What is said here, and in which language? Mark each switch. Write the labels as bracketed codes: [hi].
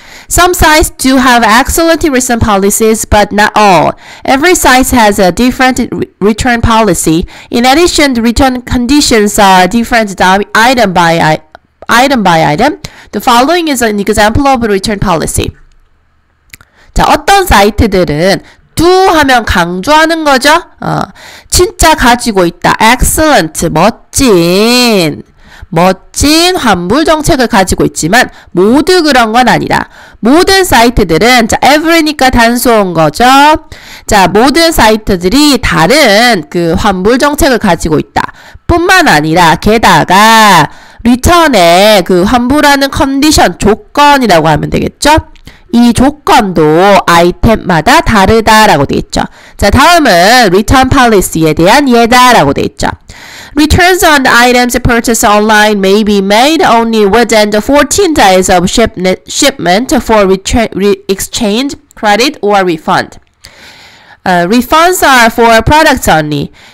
[en] Some sites do have excellent return policies, but not all. Every site has a different return policy. In addition, the return conditions are different item by item by item. The following is an example of a return policy. [ko] 자, 어떤 사이트들은 do 하면 강조하는 거죠. 진짜 가지고 있다. Excellent, 멋진. 멋진 환불 정책을 가지고 있지만 모두 그런 건 아니다. 모든 사이트들은 자, every니까 단수인 거죠. 자, 모든 사이트들이 다른 그 환불 정책을 가지고 있다. 뿐만 아니라 게다가 리턴의 그 환불하는 컨디션, 조건이라고 하면 되겠죠? 이 조건도 아이템마다 다르다라고 되어있죠. 자, 다음은 return policy에 대한 예다라고 되어있죠. [en] Returns on the items purchased online may be made only within the 14 days of shipment for exchange, credit, or refund. Refunds are for products only.